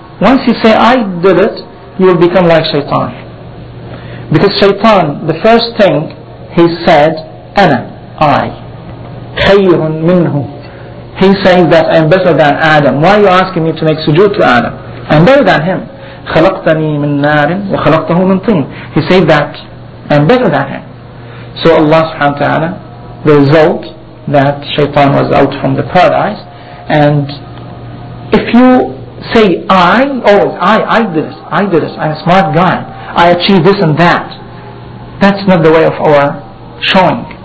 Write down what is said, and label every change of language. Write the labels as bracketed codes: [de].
[en] Once you say, I did it, you will become like shaitan. Because shaitan, the first thing he said, ana, I, [ar] khayrun minhu. [en] He's saying that I'm better than Adam. Why are you asking me to make sujood to Adam? I'm better than him. [ar] خلقتني من نار وخلقته من طين. [en] He said that I'm better than him. So Allah subhanahu wa ta'ala, the result that shaitan was out from the paradise. And if you say, I did this, I'm a smart guy, I achieved this and that, that's not the way of our showing.